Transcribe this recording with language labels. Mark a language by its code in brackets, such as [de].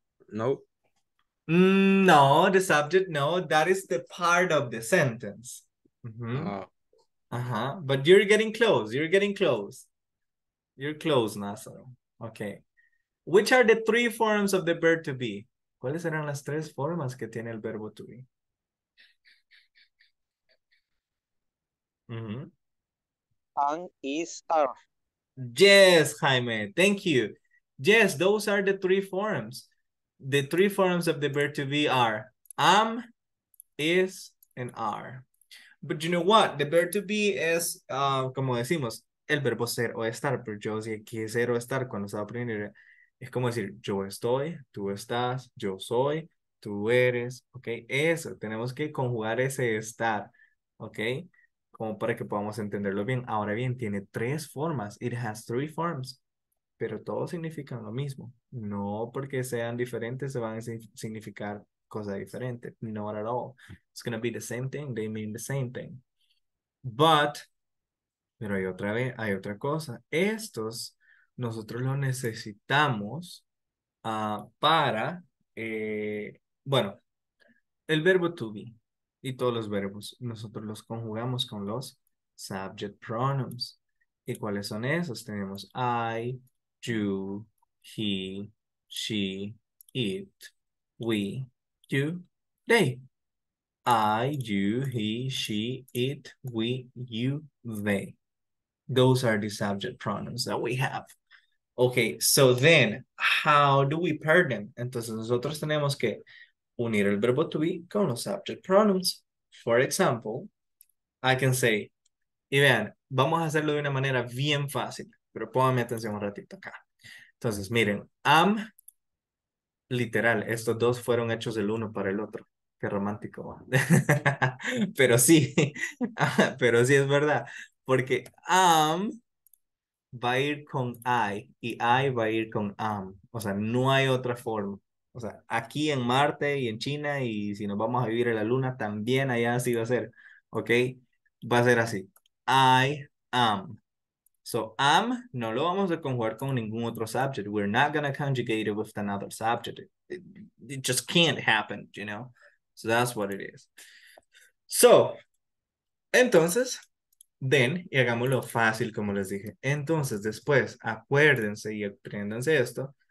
[en] Nope. No, the subject, no. That is the part of the sentence. Mm-hmm. But you're getting close. You're getting close. You're close, Nazaro. Okay. Which are the three forms of the verb to be? [es] ¿Cuáles eran las tres formas que tiene el verbo to be? Mm-hmm. [en] And is, are. Yes, Jaime. Thank you. Yes, those are the three forms. The three forms of the verb to be are am, is, and are. But you know what? The verb to be is, [es] como decimos, el verbo ser o estar. Pero yo sé que ser o estar cuando estaba aprendiendo. Es como decir, yo estoy, tú estás, yo soy, tú eres. Ok, eso. Tenemos que conjugar ese estar. Ok, como para que podamos entenderlo bien. Ahora bien, tiene tres formas. [en] It has three forms. [es] Pero todos significan lo mismo. No porque sean diferentes se van a significar cosas diferentes. [en] Not at all. It's going to be the same thing. They mean the same thing. [es] Pero hay otra vez, hay otra cosa. Estos, nosotros los necesitamos para el verbo to be. Y todos los verbos, nosotros los conjugamos con los subject pronouns. ¿Y cuáles son esos? [en] Tenemos I, you, he, she, it, we, you, they. I, you, he, she, it, we, you, they. Those are the subject pronouns that we have. Okay, so then, how do we pair them? [es] Entonces, nosotros tenemos que unir el verbo to be con los subject pronouns. [en] For example, I can say, [es] y vean, vamos a hacerlo de una manera bien fácil, pero pónganme atención un ratito acá. Entonces, miren, am, literal, estos dos fueron hechos el uno para el otro. Qué romántico. pero sí es verdad, porque am va a ir con I va a ir con am. O sea, no hay otra forma. O sea, aquí en Marte y en China, y si nos vamos a vivir en la Luna, también allá así va a ser, ¿ok? Va a ser así. [en] I am. [es] So, am, no lo vamos a conjugar con ningún otro subject. [en] We're not going to conjugate it with another subject. It just can't happen, you know? So, that's what it is. [es] So, entonces, then, y hagámoslo fácil, como les dije. Entonces, después, acuérdense y apréndanse esto.